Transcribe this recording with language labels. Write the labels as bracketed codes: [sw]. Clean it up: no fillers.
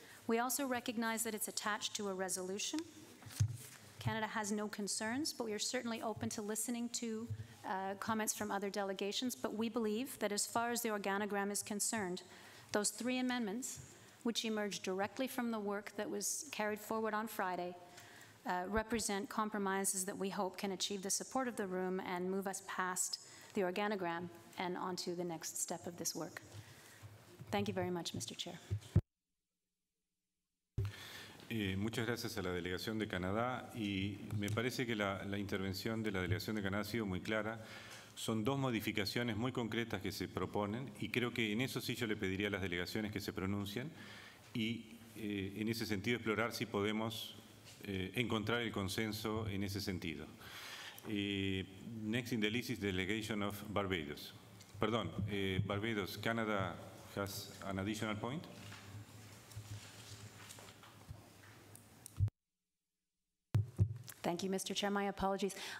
[en] We also recognize that it's attached to a resolution. Canada has no concerns, but we are certainly open to listening to comments from other delegations, but we believe that as far as the organogram is concerned, those three amendments, which emerged directly from the work that was carried forward on Friday, represent compromises that we hope can achieve the support of the room and move us past the organogram and onto the next step of this work. Thank you very much, Mr. Chair. [es] Muchas gracias a la delegación de Canadá, y me parece que la intervención de la delegación de Canadá ha sido muy clara. Son dos modificaciones muy concretas que se proponen, y creo que en eso sí yo le pediría a las delegaciones que se pronuncien y en ese sentido explorar si podemos encontrar el consenso en ese sentido. [en] Next in the list is the delegation of Barbados. [es] Perdón, [en] Barbados, Canada has an additional point. Thank you, Mr. Chair. My apologies.